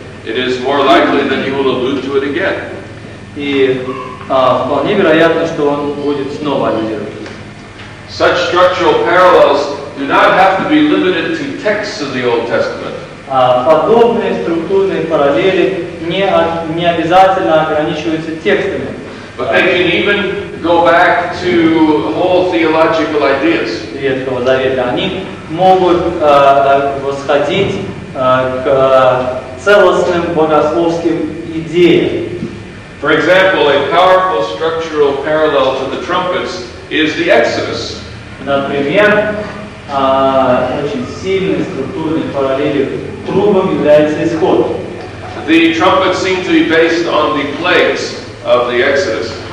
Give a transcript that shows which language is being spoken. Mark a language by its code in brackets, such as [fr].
[en] It is more likely that he will allude to it again. [ru] И вполне вероятно, что он будет снова аллюдировать. [en] Such structural parallels do not have to be limited to texts of the Old Testament. [ru] Подобные структурные параллели не обязательно ограничиваются текстами. [en] But they can even go back to whole theological ideas. [ru] Ветхого Завета. Они могут восходить к целостным богословским идеям. [en] For example, a powerful structural parallel to the trumpets is the Exodus. [ru] Например, очень сильные структурные параллели трубам является исход. [en] The trumpets seem to be based on the plagues of the Exodus.